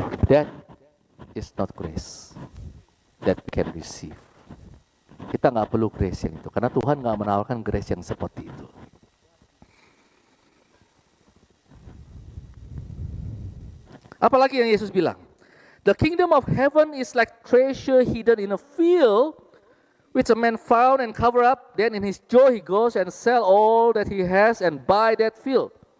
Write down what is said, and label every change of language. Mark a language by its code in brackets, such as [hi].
[en] That is not grace that can receive. [id] Kita gak perlu grace yang itu, karena Tuhan gak menawarkan grace yang seperti itu. Apalagi yang Yesus bilang, [en] the kingdom of heaven is like treasure hidden in a field, which a man found and covered up. Then in his joy he goes and sell all that he has and buy that field.